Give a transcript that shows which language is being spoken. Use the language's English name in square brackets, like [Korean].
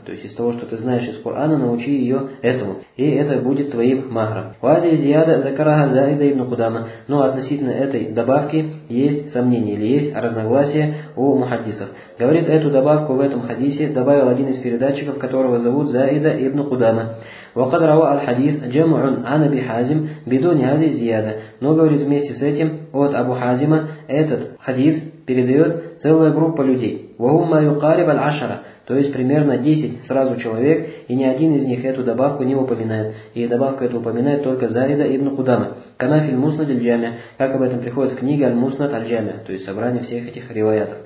[Russian] То есть из того, что ты знаешь из Курана, научи ее этому. И это будет твоим махром. [Arabic] «Ва'ади зияда закараха заида ибн Кудама». [Russian] Но относительно этой добавки есть сомнение или есть разногласие у мухаддисов. Говорит, эту добавку в этом хадисе добавил один из передатчиков, которого зовут Заида ибн Кудама. [Arabic] وقد روى الحديث جمع عن أبي حازم بدون هذه الزيادة. [Russian] Но говорит, вместе с этим от Абу Хазима этот хадис передает целая группа людей. [Arabic] وهم ما يقارب العشرة. [Russian] То есть примерно 10 сразу человек, и ни один из них эту добавку не упоминает. И добавка эту упоминает только Заида ибн Кудама. [Arabic] Кама фи [Russian] аль-Муснад аль-Джами', как об этом приходит в книге аль-Муснад аль-Джами', то есть собрание всех этих риваятов.